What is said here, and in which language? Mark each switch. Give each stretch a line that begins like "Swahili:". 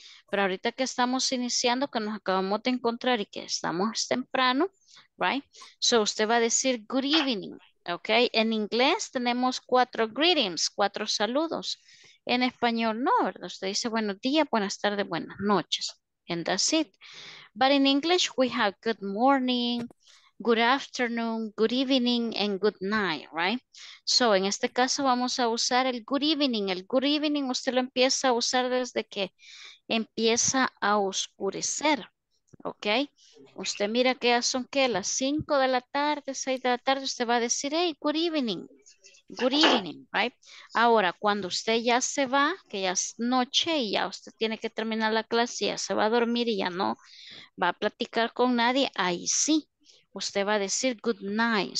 Spanish: Pero ahorita que estamos iniciando, que nos acabamos de encontrar y que estamos temprano, right? So, usted va a decir
English: good evening,
Spanish: ok. En inglés tenemos cuatro greetings, cuatro saludos. En español no, ¿verdad? Usted dice buenos días, buenas tardes, buenas noches.
English: And that's it. But in English we have good morning, good afternoon, good evening, and good night, right?
Spanish: So, en este caso vamos a usar el good evening. El good evening usted lo empieza a usar desde que empieza a oscurecer, ¿ok? Usted mira que ya son, ¿qué? Las 5 de la tarde, 6 de la tarde, usted va a decir,
English: hey, good evening. Good evening, right?
Spanish: Ahora, cuando usted ya se va, que ya es noche y ya usted tiene que terminar la clase, ya se va a dormir y ya no va a platicar con nadie, ahí sí, usted va a decir
English: good night.